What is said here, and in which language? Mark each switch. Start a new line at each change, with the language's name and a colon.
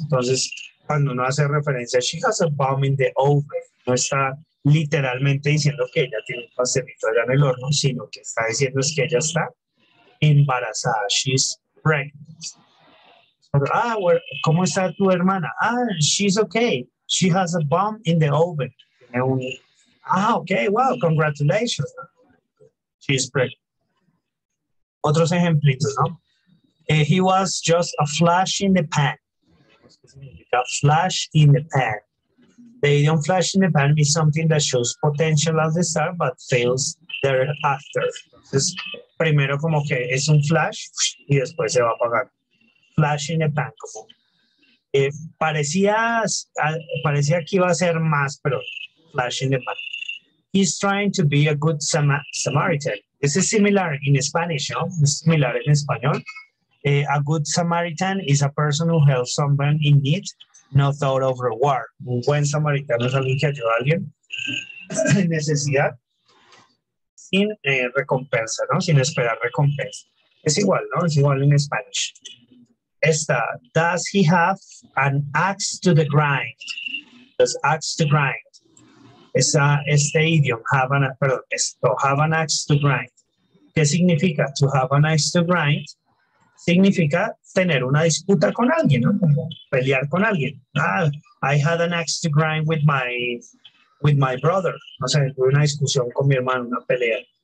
Spanish: Entonces, cuando uno hace referencia,
English: she has a bomb in the oven,
Spanish: no está literalmente diciendo que ella tiene un pastelito allá en el horno, sino que está diciendo es que ella está embarazada,
English: she's pregnant.
Spanish: Ah, ¿cómo está tu hermana?
English: Ah, she's okay, she has a bomb in the oven. Ah, okay, wow, congratulations. She's pregnant. Otros ejemplitos, ¿no? He was just a flash in the pan. A flash in the pan. The idiom flash in the pan is something that shows potential at the start but fails thereafter.
Spanish: Entonces, primero como que es un flash y después se va a apagar.
English: Flash in the pan.
Spanish: Como, parecía que iba a ser más, pero flash in the pan.
English: He's trying to be a good Samaritan. This is similar in Spanish, ¿no?
Spanish: Es similar en español.
English: A good Samaritan is a person who helps someone in need, no thought of reward.
Spanish: Un buen samaritano es alguien que ayuda a alguien en necesidad sin recompensa, ¿no? Sin esperar recompensa. Es igual, ¿no? Es igual en Spanish.
English: Esta, does he have an axe to the grind? Does axe to grind. Este idiom, have an axe to grind.
Spanish: ¿Qué significa?
English: To have an axe to grind
Spanish: significa tener una disputa con alguien, ¿no? Pelear con alguien.
English: I had an axe to grind with my brother.
Spanish: O sea, tuve una discusión con mi hermano, una pelea.